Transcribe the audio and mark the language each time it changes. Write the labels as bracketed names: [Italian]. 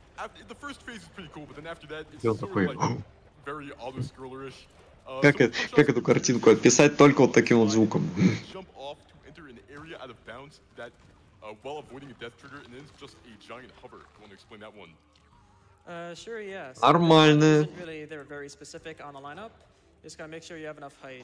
[English] The first phase is pretty cool, but then after that, it's sort of like very auto-scrollerish. [Russian] Как эту картинку описать только вот таким вот звуком? [English] Jump off to enter an area out of bounds that, while avoiding a death trigger, and then it's just a giant hover. You want to explain that one? Sure, yeah. [Russian] Нормально. [English] Really, they're very specific on the lineup. Just gotta make sure you have enough height.